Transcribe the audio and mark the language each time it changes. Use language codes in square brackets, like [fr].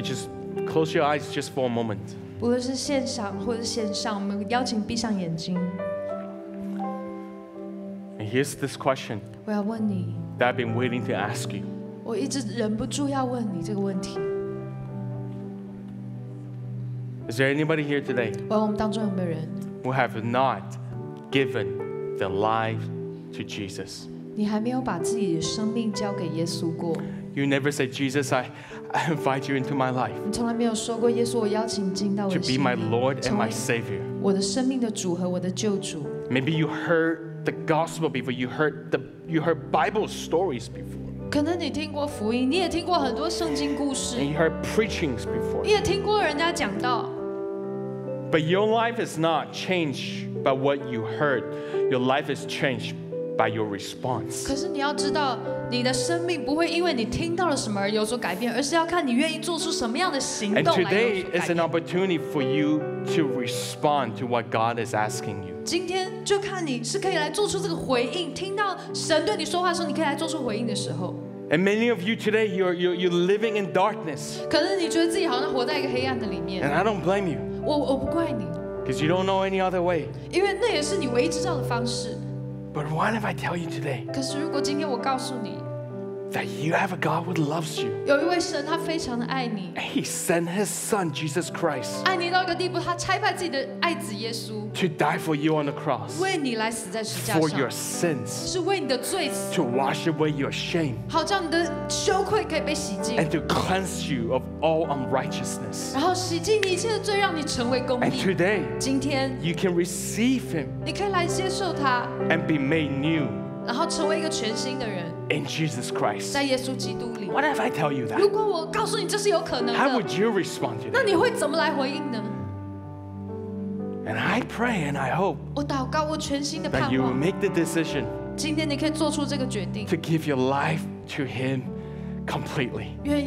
[en] just close your eyes just for a moment. [zh] 不论是线上或是线上，我们邀请闭上眼睛。 [en] And here's this question. [zh] 我要问你。 [en] That I've been waiting to ask you. [zh] 我一直忍不住要问你这个问题。 [en] Is there anybody here today? [zh] 我要我们当中有没有人 [en] ？Who have not given their life to Jesus? [zh] 你还没有把自己的生命交给耶稣过。 [en] You never said, Jesus, I invite you into my life. [zh] 你从来没有说过耶稣，我邀请你进到我的生命。 [en] To be my Lord and my Savior. [zh] 我的生命的主和我的救主。 [en] Maybe you heard the gospel before. You heard Bible stories before. [zh] 可能你听过福音，你也听过很多圣经故事。 [en] And you heard preachings before. [zh] 你也听过人家讲道。 [en] But your life is not changed by what you heard. Your life is changed. By your response. [zh] 可是你要知道，你的生命不会因为你听到了什么而有所改变，而是要看你愿意做出什么样的行动来有所改变。 [en] And today is an opportunity for you to respond to what God is asking you. [zh] 今天就看你是可以来做出这个回应。听到神对你说话的时候，你可以来做出回应的时候。 [en] And many of you today, you're living in darkness. [zh] 可是你觉得自己好像活在一个黑暗的里面。 [en] And I don't blame you. [zh] 我不怪你。 [en] Because you don't know any other way. [zh] 因为那也是你唯一知道的方式。 [en] But what if I tell you today? [zh] 可是如果今天我告诉你 [en] that you have a God who loves you. [zh] 有一位神，他非常的爱你。 [en] He sent His Son, Jesus Christ. [zh] 爱你到一个地步，他差派自己的爱子耶稣。 [en] To die for you on the cross. [zh] 为你来死在十字架上。 [en] For your sins. [zh] 是为你的罪。 [en] To wash away your shame. [zh] 好叫你的羞愧可以被洗净。 [en] And to cleanse you of all unrighteousness. [zh] 然后洗净你一切的罪，让你成为公义。 [en] And today, [zh] 今天 [en] you can receive Him. [zh] 你可以来接受他。 [en] And be made new. [zh] 然后成为一个全新的人。 [en] In Jesus Christ. [zh] 在耶稣基督里。 [en] What if I tell you that? [zh] 如果我告诉你这是有可能的。 [en] How would you respond to that? [zh] 那你会怎么来回应呢？ [en] And I pray and I hope that you will make the decision to give your life to Him completely.